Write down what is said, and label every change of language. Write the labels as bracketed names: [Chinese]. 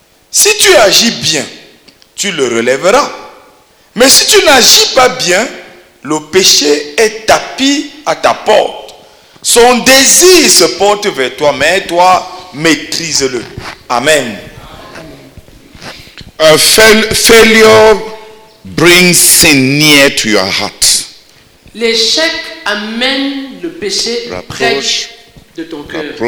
[French] Si tu agis bien, tu le relèveras. Mais si tu n'agis pas bien, le péché est tapis à ta porte. Son désir se porte vers toi, mais toi, maîtrise-le. Amen. [English] A failure brings sin near to your heart. [French] L'échec amène le péché près de ton cœur.